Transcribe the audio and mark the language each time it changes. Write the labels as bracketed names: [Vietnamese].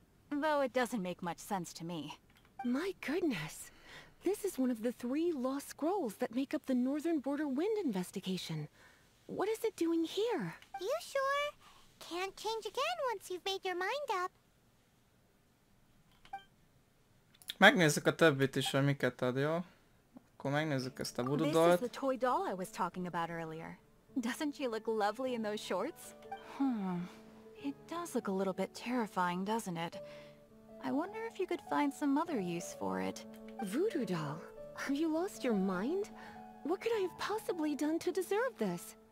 [English] Though it doesn't make much sense to me. My goodness. This is one of the 3 lost scrolls that make up the Northern Border Wind investigation. What is it doing here? You sure? Can't change again once you've made your mind up. [Hungarian] Megnézzük a többit is, amiket ad, jó? Akkor megnézzük ezt a voodoo dollt. [English] This is the toy doll I was talking about earlier. Doesn't she look lovely in those shorts? Hmm. It does look a little bit terrifying, doesn't it? I wonder if you could find some other use for it. Voodoo doll? Have you lost your mind? What could I have possibly done to deserve this?